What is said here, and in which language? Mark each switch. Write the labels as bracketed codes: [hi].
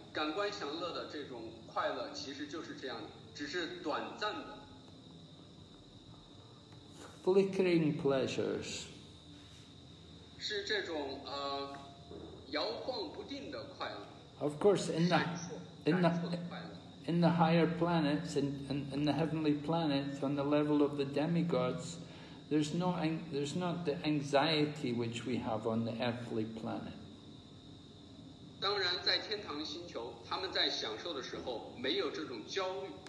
[zh] 感官享乐的这种快乐其实就是这样的，只是短暂的。 [en] Flickering pleasures. [zh] 是这种摇晃不定的快乐。 [en] Of course, in the higher planets, in the heavenly planets, on the level of the demigods, there's not the anxiety which we have on the earthly planet. [zh] 当然，在天堂星球，他们在享受的时候没有这种焦虑。